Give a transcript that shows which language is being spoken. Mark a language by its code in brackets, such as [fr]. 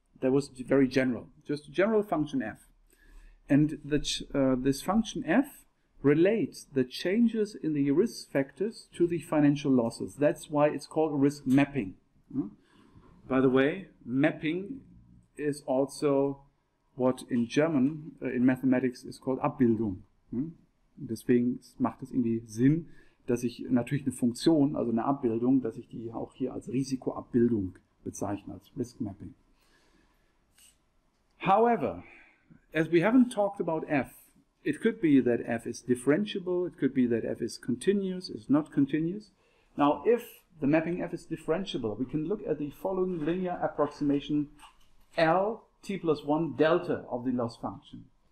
[en] That was very general, just general function F. And this function F relates the changes in the risk factors to the financial losses. That's why it's called risk mapping. By the way, mapping is also what in German, in mathematics, is called Abbildung. [de] Deswegen macht es irgendwie Sinn, dass ich natürlich eine Funktion, also eine Abbildung, dass ich die auch hier als Risikoabbildung bezeichne, als risk mapping. [en] However, as we haven't talked about F, it could be that F is differentiable, it could be that F is continuous, is not continuous. Now, if the mapping F is differentiable, we can look at the following linear approximation L t plus 1 delta of the loss function.